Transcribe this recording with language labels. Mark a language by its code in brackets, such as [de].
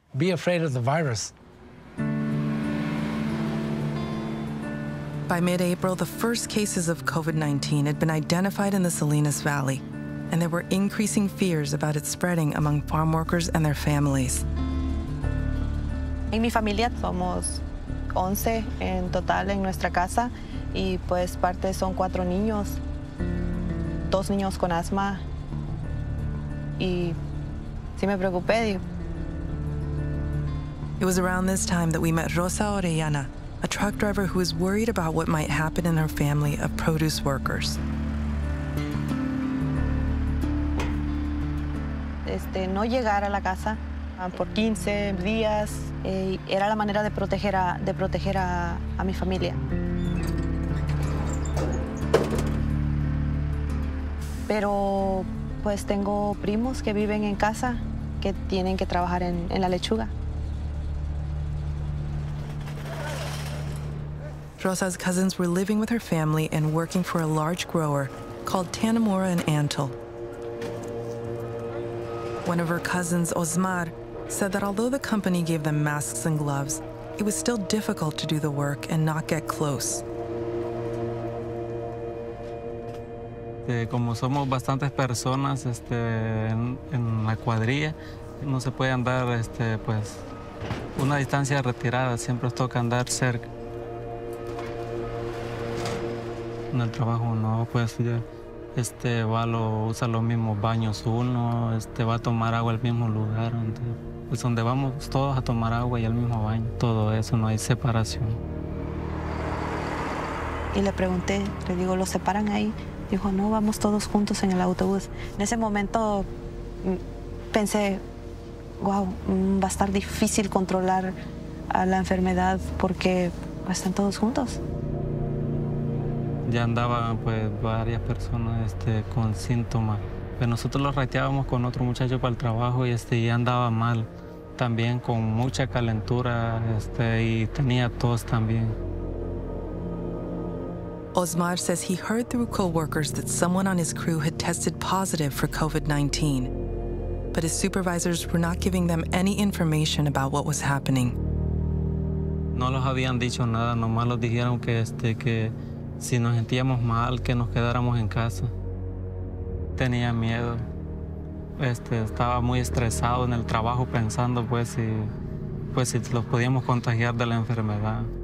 [en] Be afraid of the virus. By mid-April, the first cases of COVID-19 had been identified in the Salinas Valley, and there were increasing fears about it spreading among farm workers and their families. [es] En mi familia somos 11 en total en nuestra casa, y pues parte son 4 niños, 2 niños con asma, y sí me preocupé. [en] It was around this time that we met Rosa Orellana, a truck driver who was worried about what might happen in her family of produce workers. [es] No llegar a la casa por 15 días era la manera de proteger a mi familia. Pero pues tengo primos que viven en casa que tienen que trabajar en la lechuga. [en] Rosa's cousins were living with her family and working for a large grower called Tanamura and Antel. One of her cousins, Osmar, said that although the company gave them masks and gloves, it was still difficult to do the work and not get close. [es] Como somos bastantes personas en la cuadrilla, no se puede andar una distancia retirada. Siempre toca andar cerca. En el trabajo no, va a usar los mismos baños uno, va a tomar agua al mismo lugar. Entonces, donde vamos todos a tomar agua y al mismo baño. Todo eso, no hay separación. Y le pregunté, le digo, ¿lo separan ahí? Dijo, no, vamos todos juntos en el autobús. En ese momento pensé, wow, va a estar difícil controlar a la enfermedad porque están todos juntos. Ya andaban varias personas con síntomas. Pero nosotros los rateábamos con otro muchacho para el trabajo y ya andaba mal. También con mucha calentura y tenía tos también. [en] Osmar says he heard through co-workers that someone on his crew had tested positive for COVID-19, but his supervisors were not giving them any information about what was happening. [es] No los habían dicho nada, nomás los dijeron que si nos sentíamos mal, que nos quedáramos en casa. Tenía miedo. Estaba muy estresado en el trabajo pensando si los podíamos contagiar de la enfermedad.